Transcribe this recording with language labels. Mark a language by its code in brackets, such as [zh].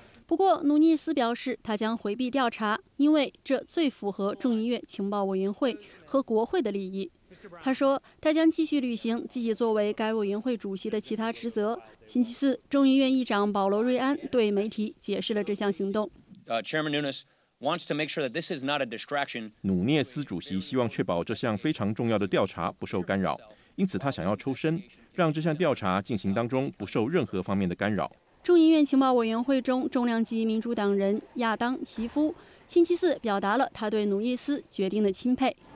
[zh] 不过努涅斯表示，他将回避调查，因为这最符合众议院情报委员会和国会的利益。他说，他将继续履行自己作为该委员会主席的其他职责。星期四，众议院议长保罗·瑞安对媒体解释了这项行动。 [en] Chairman Nunes wants to make sure that this is not a distraction. [zh] 努涅斯主席希望确保这项非常重要的调查不受干扰，因此他想要抽身，让这项调查进行当中不受任何方面的干扰。众议院情报委员会中重量级民主党人亚当·席夫星期四表达了他对努涅斯决定的钦佩。